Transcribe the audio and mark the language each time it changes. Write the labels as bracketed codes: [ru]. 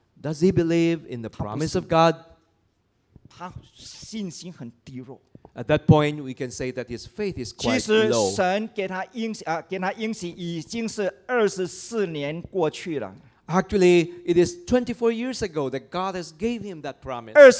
[en] Does he believe in the promise of God? [zh] 他信心很低弱。 [en] At that point, we can say that his faith is quite low. [zh] 其实神给他应许已经是24年过去了。 [en] Actually, it is 24 years ago that God has gave him that promise.